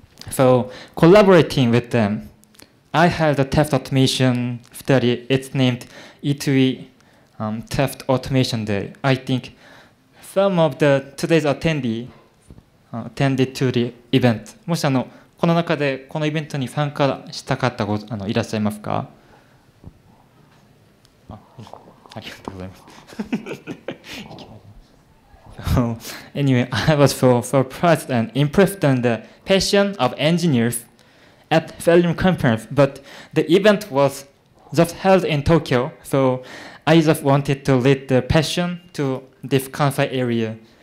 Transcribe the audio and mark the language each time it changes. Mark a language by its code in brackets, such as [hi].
[en] So collaborating with them, I had a test automation study. It's named E2E Test Automation Day. I think some of the today's attendee attended to the event. [ja] もしこの中でこのイベントに参加したかったいらっしゃいますか？ありがとうございます。 [en] Anyway, I was so surprised and impressed on the passion of engineers at Selenium Conference, but the event was just held in Tokyo, so I just wanted to lead the passion to this Kansai area.